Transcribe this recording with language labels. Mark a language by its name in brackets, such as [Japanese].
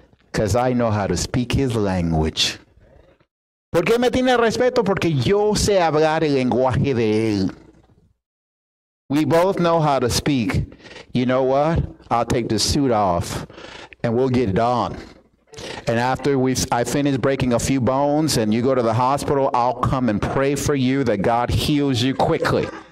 [English] Because I know how to speak his language. [Spanish] ¿Por qué me tiene respeto? Porque yo sé hablar el lenguaje de él. [English] We both know how to speak. You know what? I'll take the suit off and we'll get it on. And after I finish breaking a few bones and you go to the hospital, I'll come and pray for you that God heals you quickly.